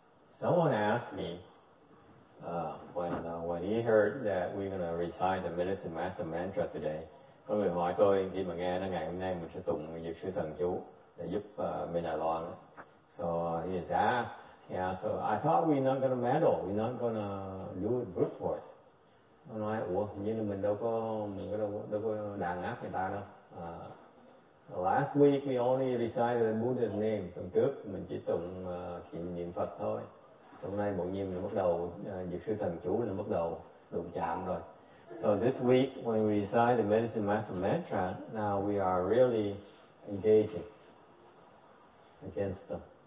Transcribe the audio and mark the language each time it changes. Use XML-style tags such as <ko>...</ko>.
<en>Someone asked me when he heard that we're going to recite the Medicine Master Mantra today.</en> <vi>Có người hỏi tôi khi mà nghe nó ngày hôm nay mình sẽ tụng dược sư thần chú để giúp bên Đài Loan.</vi> <en>So he asked, I thought we're not going to meddle, we're not going to do it brute force.</en> <vi>Tôi nói, ủa, như là mình đâu có đàn áp người ta đâu.</vi> <en>Last week we only recited the Buddha's name.</en> <vi>Tuần trước mình chỉ tụng niệm Phật thôi. Hôm nay bỗng nhiên mình bắt đầu dược sư thần chú là bắt đầu đụng chạm rồi.</vi> <en>So this week when we recite the Medicine Master Mantra, now we are really engaging against them.</en>